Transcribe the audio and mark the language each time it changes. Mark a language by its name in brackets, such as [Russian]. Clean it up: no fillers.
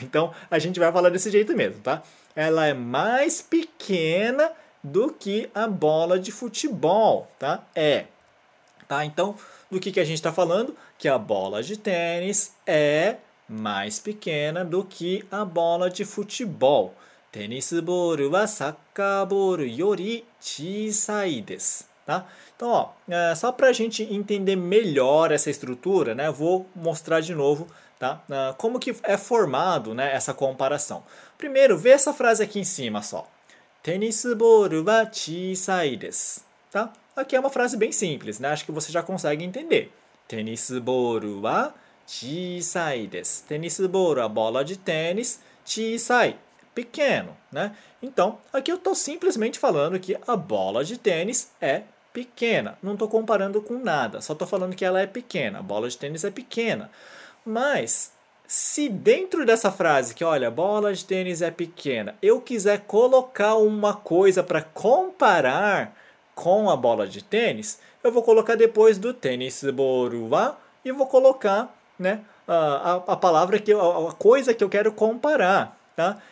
[Portuguese] Então a gente vai falar desse jeito mesmo, tá? Ela é mais pequena do que a bola de futebol, tá? É, tá? Então do que a gente está falando? Que a bola de tênis é mais pequena do que a bola de futebol. [Japanese] テニスボールはサッカーボールより小さいです。 [Portuguese] Tá? Então, ó, só para a gente entender melhor essa estrutura, né, vou mostrar de novo, tá, como que é formado, né, essa comparação. Primeiro, vê essa frase aqui em cima só. [Japanese] テニスボールは小さいです。 [Portuguese] Tá? Aqui é uma frase bem simples, né? Acho que você já consegue entender. [Japanese] テニスボールは小さいです。 [Portuguese] テニスボール、a bola de tênis, 小さい。 Pequeno, né? Então, aqui eu estou simplesmente falando que a bola de tênis é pequena. Não estou comparando com nada, só estou falando que ela é pequena. A bola de tênis é pequena. Mas, se dentro dessa frase que, olha, bola de tênis é pequena, eu quiser colocar uma coisa para comparar com a bola de tênis, eu vou colocar depois do tênis boruá e vou colocar, né, a palavra, que, a coisa que eu quero comparar, tá?